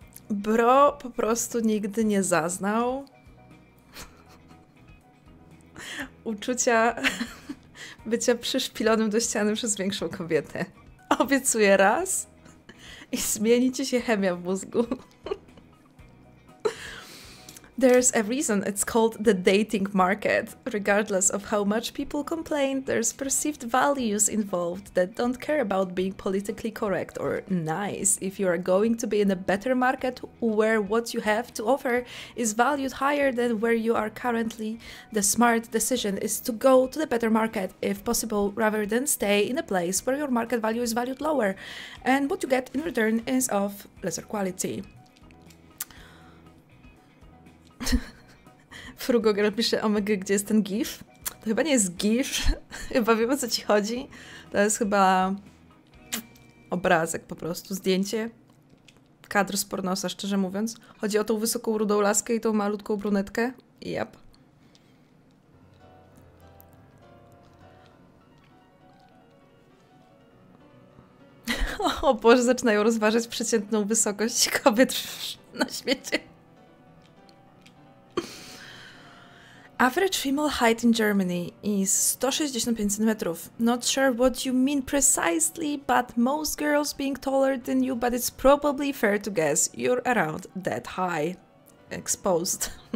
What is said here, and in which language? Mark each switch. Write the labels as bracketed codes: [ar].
[pl] Bro po prostu nigdy nie zaznał uczucia bycia przyszpilonym do ściany przez większą kobietę. Obiecuję raz i zmieni ci się chemia w mózgu. [en] There's a reason it's called the dating market. Regardless of how much people complain, there's perceived values involved that don't care about being politically correct or nice. If you are going to be in a better market where what you have to offer is valued higher than where you are currently, the smart decision is to go to the better market, if possible, rather than stay in a place where your market value is valued lower and what you get in return is of lesser quality. [pl] Frugogirl pisze, omg, gdzie jest ten gif? To chyba nie jest gif, chyba wiem, o co ci chodzi. To jest chyba obrazek po prostu, zdjęcie, kadr z pornosa, szczerze mówiąc. Chodzi o tą wysoką rudą laskę i tą malutką brunetkę. Yep. O Boże, zaczynają rozważać przeciętną wysokość kobiet na świecie. [en] Average female height in Germany is 165 cm. Not sure what you mean precisely, but most girls being taller than you, but it's probably fair to guess you're around that high. Exposed.